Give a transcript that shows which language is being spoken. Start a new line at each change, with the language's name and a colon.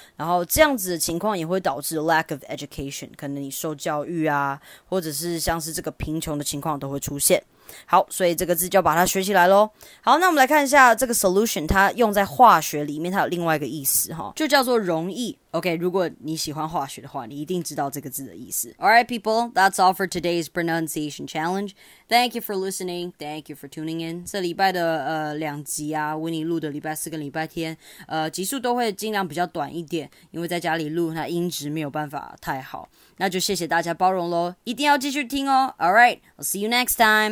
Chinese: 然后这样子的情况也会导致
English: lack of education，
Chinese: 可能你受教育啊，或者是像是这个贫穷的情况都会出现。好，所以这个字就要把它学起来咯。好，那我们来看一下这个 solution， 它用在化学里面它有另外一个意思，就叫做溶液。 OK， 如果你喜欢化学的话，你一定知道这个字的意思。
English: Alright people, that's all for today's pronunciation challenge. Thank you for listening. Thank you for tuning in.
Chinese: 这礼拜的两集啊，为你录的礼拜四跟礼拜天集数都会尽量比较短一点，因为在家里录那音质没有办法太好，那就谢谢大家包容咯，一定要继续听哦。
English: Alright, I'll see you next time.